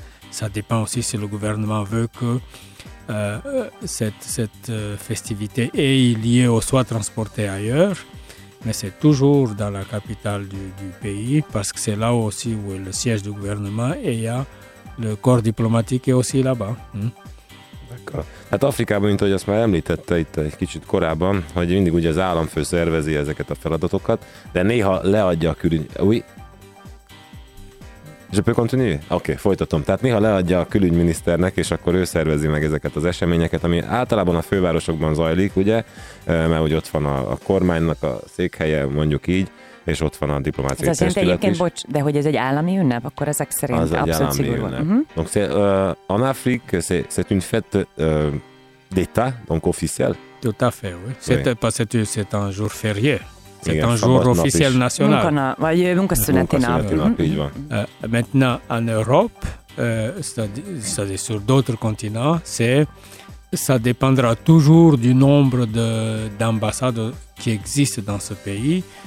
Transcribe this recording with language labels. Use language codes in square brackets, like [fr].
[fr] Ça dépend aussi si le gouvernement veut que cette festivité ait lieu ou soit transportée ailleurs. Mais c'est toujours dans la capitale du pays parce que c'est là aussi où est le siège du gouvernement et il y a le corps diplomatique est aussi là-bas. [hu] Hát Afrikában, mint ahogy azt már említette itt egy kicsit korábban, hogy mindig ugye az államfő szervezi ezeket a feladatokat, de néha leadja a külügy... [fr] Je peux continuer? [hu] Oké, folytatom. Tehát néha leadja a külügyminiszternek, és akkor ő szervezi meg ezeket az eseményeket, ami általában a fővárosokban zajlik, ugye, mert ugye ott van a kormánynak a székhelye, mondjuk így, és ott van a diplomáciai testület is. Ez azért egyébként, bocs, de hogy ez egy állami ünnep, akkor ezek szerint az egy abszolút állami szigorú. Ünnep. Uh-huh. [fr] Donc c'est, en Afrique, c'est une fête d'État, donc officielle. Tout à fait, oui. C'est un jour férié. C'est un jour officiel national. [hu] Vagy munkaszüneti nap. [fr] Maintenant, en Europe, c'est-à-dire sur d'autres continents, c'est, ça dépendra toujours du nombre de, d'ambassades qui existent dans ce pays.